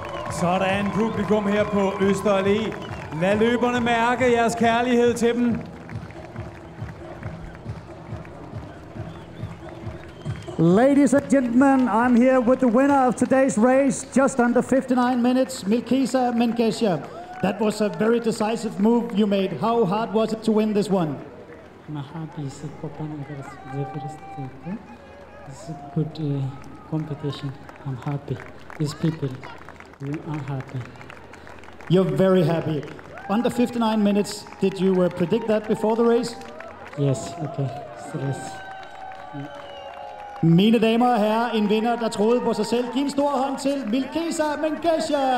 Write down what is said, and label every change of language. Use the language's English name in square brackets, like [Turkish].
[Danish] Sådan, publikum her på Øster Allé. Lad løberne mærke jeres kærlighed til dem. [English] Ladies and gentlemen, I'm here with the winner of today's race, just under 59 minutes, Milkesa Mengesha. That was a very decisive move you made. How hard was it to win this one? My heart is open for the first time. It's a good competition. I'm happy. These people. You are happy. You're very happy. Under 59 minutes, did you predict that before the race? Yes, okay. So yes. [Danish] Mine damer og herrer, en vinder, der troede på sig selv. Giv en stor hånd til Milkesa Mengesha!